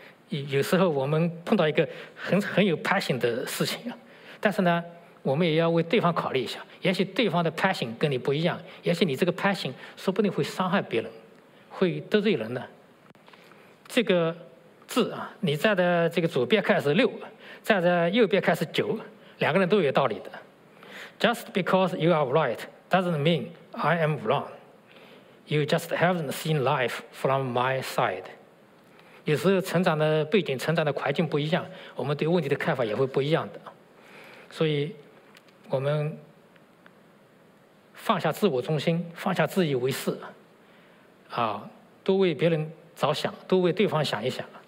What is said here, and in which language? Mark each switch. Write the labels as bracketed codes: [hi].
[zh] 有时候我们碰到一个 很有 passion 的事情，但是呢，我们也要为对方考虑一下，也许对方的 passion 跟你不一样，也许你这个 passion 说不定会伤害别人，会得罪人呢。这个字啊，你站在这个左边看是六，站在右边看是九，两个人都有道理的。 [en] Just because you are right doesn't mean I am wrong. You just haven't seen life from my side. [zh] 有时候成长的背景、成长的环境不一样，我们对问题的看法也会不一样的。所以我们放下自我中心，放下自以为是，多为别人着想，多为对方想一想。